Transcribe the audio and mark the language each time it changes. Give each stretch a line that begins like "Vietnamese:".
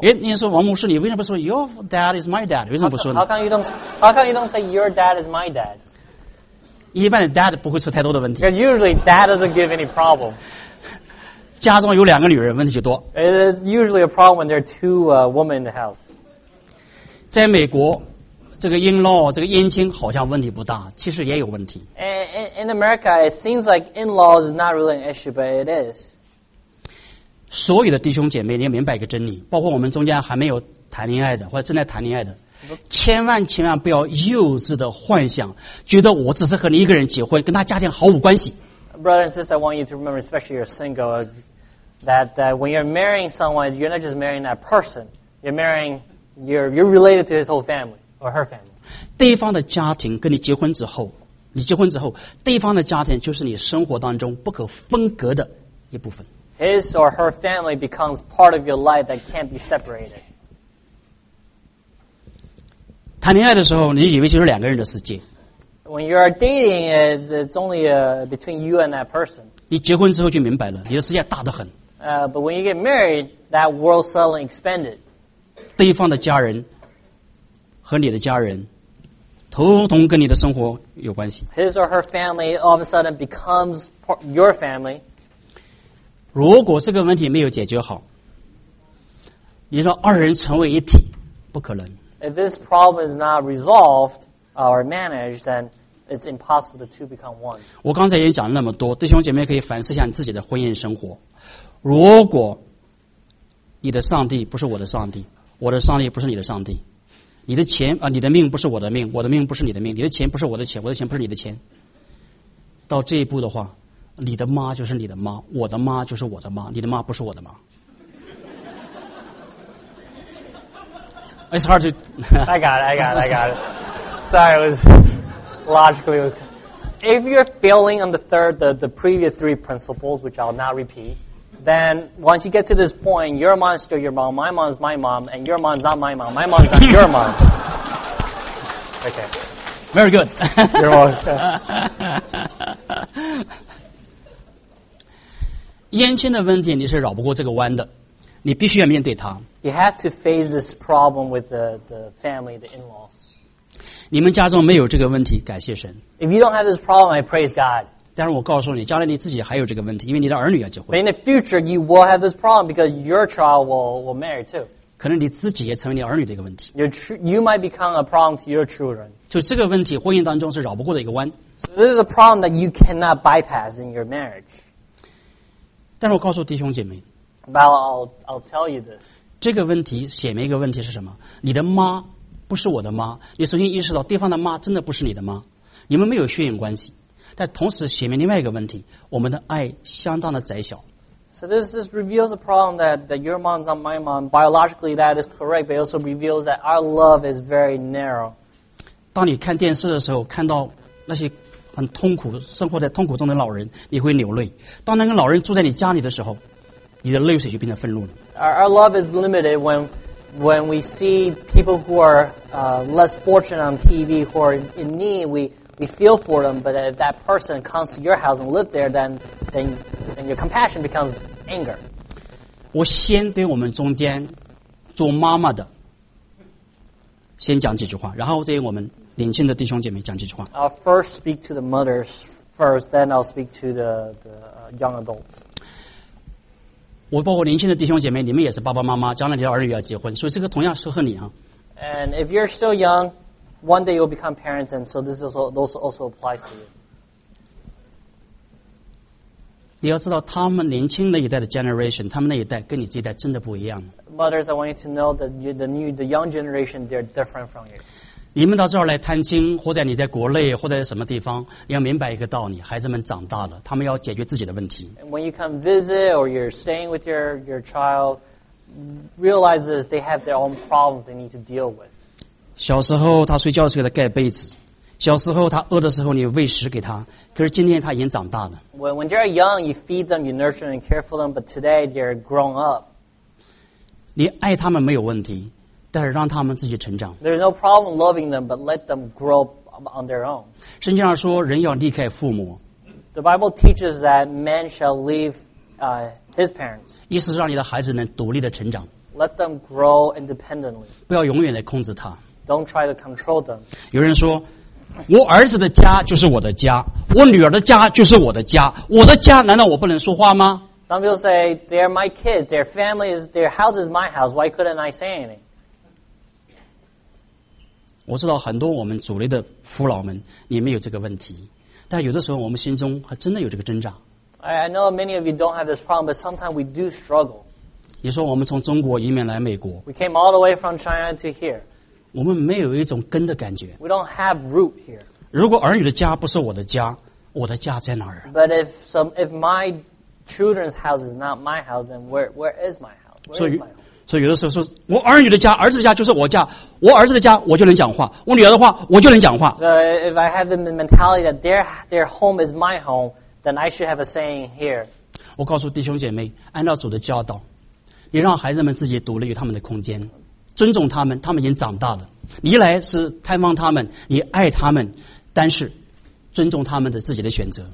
Chinese: 诶，你说王牧师，你为什么不说
English: your dad is my dad？
Chinese: 为什么不说呢
English: ？How come you don't say your dad is my dad？
Chinese: 一般的 dad 不会出太多的问题。
English: Because usually dad doesn't give any problem.
Chinese: 家中有两个女人，问题就多。
English: It is usually a problem when there are two women in the house.
Chinese: 在美国，这个 in-law 这个姻亲好像问题不大，其实也有问题。
English: In America, it seems like in-laws is not really an issue, but it is.
Chinese: 所有的弟兄姐妹，你要明白一个真理，包括我们中间还没有谈恋爱的或者正在谈恋爱的，千万千万不要幼稚的幻想，觉得我只是和你一个人结婚，跟他家庭毫无关系。
English: Brother and sister, I want you to remember, especially you're single, that when you're marrying someone, you're not just marrying that person, you're related to his whole family or her family.
Chinese: 对方的家庭跟你结婚之后，你结婚之后，对方的家庭就是你生活当中不可分割的一部分。
English: His or her family becomes part of your life that can't be separated.
Chinese: 谈恋爱的时候，你以为就是两个人的世界。
English: When you are dating, it's only between you and that person.
Chinese: 你结婚之后就明白了，你的世界大得很。
English: But when you get married, that world suddenly expanded.
Chinese: 对方的家人和你的家人，统统跟你的生活有关系。
English: His or her family all of a sudden becomes your family.
Chinese: 如果这个问题没有解决好，你说二人成为一体，不可能。
English: If this problem is not resolved or managed, then it's impossible the two become one.
Chinese: 我刚才也讲了那么多，弟兄姐妹可以反思一下你自己的婚姻生活。如果你的上帝不是我的上帝，我的上帝不是你的上帝，你的钱啊，你的命不是我的命，我的命不是你的命，你的钱不是我的钱，我的钱不是你的钱，到这一步的话。你的妈就是你的妈，我的妈就是我的妈，你的妈不是我的妈。
English: It's hard to. I got it. Sorry, it was logically. If you're failing on the previous three principles, which I'll not repeat, then once you get to this point, your mom is still your mom, my mom is my mom, and your mom is not my mom, my mom is not your mom. Okay. Very good. Your mom.
Chinese: 姻亲的问题你是绕不过这个弯的，你必须要面对它。
English: You have to face this problem with the family, the in-laws.
Chinese: 你们家中没有这个问题，感谢神。
English: If you don't have this problem, I praise God.
Chinese: 但是我告诉你，将来你自己还有这个问题，因为你的儿女要结婚。
English: But in the future, you will have this problem because your child will marry too.
Chinese: 可能你自己也成为你儿女的一个问题。
English: You might become a problem to your children.
Chinese: 就这个问题，婚姻当中是绕不过的一个弯。
English: So this is a problem that you cannot bypass in your marriage.
Chinese: 但是我告诉弟兄姐妹
English: ，But I'll tell you this.
Chinese: 这个问题显明一个问题是什么？你的妈不是我的妈，你首先意识到对方的妈真的不是你的妈，你们没有血缘关系。但同时显明另外一个问题，我们的爱相当的窄小。
English: So this reveals a problem that your mom's not my mom. Biologically, that is correct, but it also reveals that our love is very narrow.
Chinese: 当你看电视的时候，看到那些。很痛苦，生活在痛苦中的老人，你会流泪。当那个老人住在你家里的时候，你的泪水就变成愤怒了。
English: Our love is limited when we see people who are less fortunate on TV who are in need. We feel for them, but if that person comes to your house and live there, then your compassion becomes anger.
Chinese: 我先对我们中间做妈妈的先讲几句话，然后对我们。领亲的弟兄姐妹讲几句话。
English: I'll first speak to the mothers first, then I'll speak to the young adults.
Chinese: 我包括领亲的弟兄姐妹，你们也是爸爸妈妈，将来你的儿女要结婚，所以这个同样适合你啊。
English: And if you're still young, one day you'll become parents, and so this also applies to you.
Chinese: 你要知道，他们年轻那一代的 generation, 他们那一代跟你这一代真的不一样。
English: Mothers, I want you to know that the young generation, they're different from you.
Chinese: 你们到这儿来探亲，或者你在国内，或者在什么地方，你要明白一个道理：孩子们长大了，他们要解决自己的问题。
English: When you come visit or you're staying with your child, realize this: they have their own problems they need to deal with.
Chinese: 小时候他睡觉时给他盖被子，小时候他饿的时候你喂食给他，可是今天他已经长大了。
English: When they are young, you feed them, you nurture them, and care for them, but today they're grown up.
Chinese: 你爱他们没有问题。但是让他们自己成长。
English: There is no problem loving them, but let them grow on their own.
Chinese: 圣经上说，人要离开父母。
English: The Bible teaches that man shall leave his parents.
Chinese: 意思是让你的孩子能独立的成长。
English: Let them grow independently.
Chinese: 不要永远来控制他。
English: Don't try to control them.
Chinese: 有人说，我儿子的家就是我的家，我女儿的家就是我的家，我的家难道我不能说话吗？
English: Some people say they are my kids, their family is their house is my house. Why couldn't I say anything?
Chinese: 我知道很多我们主内的父老们，你们有这个问题，但有的时候我们心中还真的有这个挣扎。
English: I know many of you don't have this problem, but sometimes we do struggle.
Chinese: 你说我们从中国移民来美国。
English: We came all the way from China to here.
Chinese: 我们没有一种根的感觉。
English: We don't have root here.
Chinese: 如果儿女的家不是我的家，我的家在哪儿？
English: But if my children's house is not my house, then where is my house? Where is my home?
Chinese: 所以有的时候说，我儿女的家，儿子的家就是我家。我儿子的家，我就能讲话；我女儿的话，我就能讲话。
English: So if I have the mentality that their home is my home, then I should have a saying here.
Chinese: 我告诉弟兄姐妹，按照主的教导，你让孩子们自己独立于他们的空间。尊重他们，他们已经长大了。你一来是探望他们，你爱他们，但是尊重他们的自己的选择。